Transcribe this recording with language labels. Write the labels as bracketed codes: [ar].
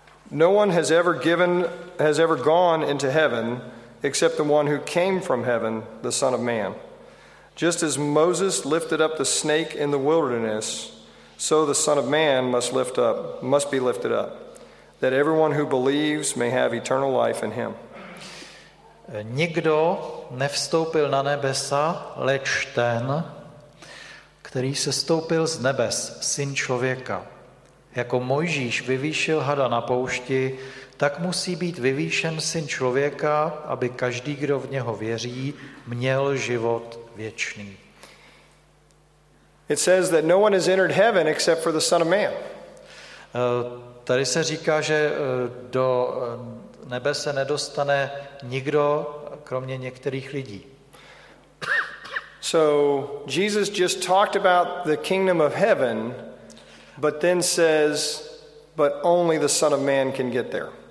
[en] No one has ever gone into heaven except the one who came from heaven, the Son of Man. Just as Moses lifted up the snake in the wilderness, so the Son of Man must be lifted up, that everyone who believes may have eternal life in him. [cs] Nikdo nevstoupil na nebesa, leč ten, který se stoupil z nebes, Syn člověka. Jako Mojžíš vyvýšil hada na poušti, tak musí být vyvýšen Syn člověka, aby každý, kdo v něho věří, měl život věčný. [en] It says that no one has entered heaven except for the Son of Man. [cs] Tady se říká, že do nebe se nedostane nikdo kromě některých lidí. [en] So Jesus just talked about the kingdom of heaven, but then says, but only the Son of Man can get there.